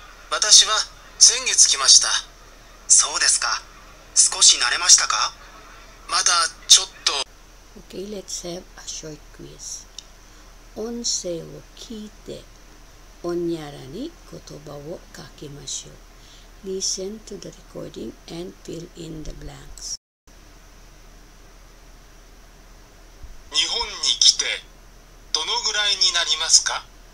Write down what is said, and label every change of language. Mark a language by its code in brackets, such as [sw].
[ja] 私は先月来ました。そうですか。少し慣れましたか？まだちょっと。 [en] Okay, let's have a short quiz. [ja] 音声を聞いて、おにゃらに言葉を書きましょう。 [en] Listen to the recording and fill in the blanks. [ja] 日本に来てどのぐらいになりますか？